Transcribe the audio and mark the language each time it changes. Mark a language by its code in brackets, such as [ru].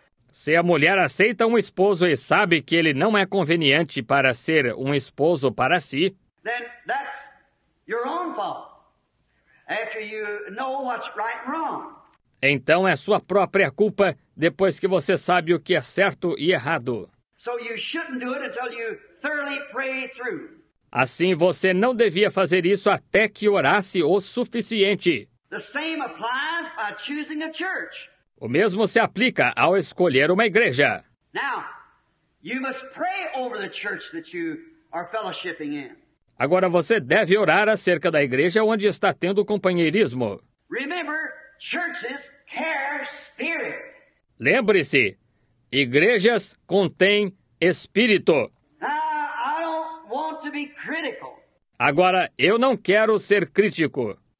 [pt] Se a mulher aceita um esposo e sabe que ele não é conveniente para ser um esposo para si, [en] then that's your own fault. After you know what's right and wrong. [pt] Então é sua própria culpa depois que você sabe o que é certo e errado. [en] So you shouldn't do it until you thoroughly pray through. [pt] Assim, você não devia fazer isso até que orasse o suficiente. [en] The same applies by choosing a church. [pt] O mesmo se aplica ao escolher uma igreja. [en] Now, you must pray over the church that you are fellowshipping in. [pt] Agora você deve orar acerca da igreja onde está tendo companheirismo. [en] Remember, churches carry spirit. [pt] Lembre-se, igrejas contêm espírito. [en] I don't want to be critical. [pt] Agora, eu não quero ser crítico.